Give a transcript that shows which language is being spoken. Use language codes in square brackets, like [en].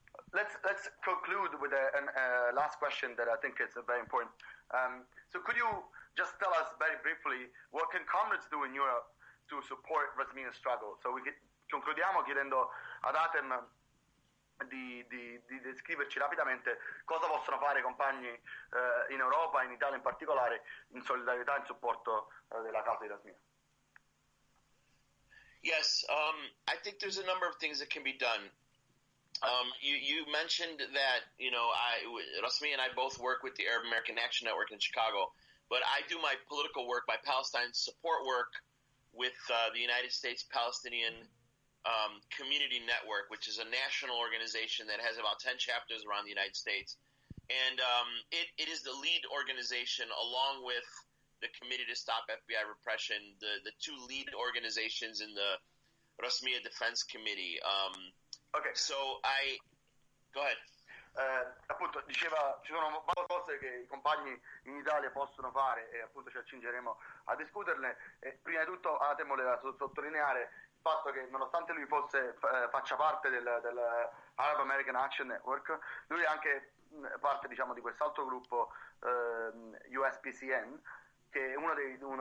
[en] Let's conclude with a last question that I think is very important. So could you just tell us very briefly what can comrades do in Europe to support Rasmina's struggle. [it] So concludiamo chiedendo ad Atem di descriverci rapidamente cosa possono fare i compagni in Europa, in Italia in particolare, in solidarietà e in supporto della causa di Rasmina. [en] Yes, I think there's a number of things that can be done. You mentioned that, you know, Rasmi and I both work with the Arab American Action Network in Chicago, but I do my political work, my Palestine support work with the United States Palestinian Community Network, which is a national organization that has about 10 chapters around the United States. And it is the lead organization, along with the Committee to Stop FBI Repression, the two lead organizations in the Rasmiya Defense Committee. Okay. So I... Go ahead. [it] Appunto, diceva, ci sono varie cose che i compagni in Italia possono fare e appunto ci accingeremo a discuterne. E prima di tutto, Atem voleva sottolineare il fatto che nonostante lui fosse faccia parte del Arab American Action Network, lui è anche parte, diciamo, di quest'altro gruppo, USPCN, che è uno dei...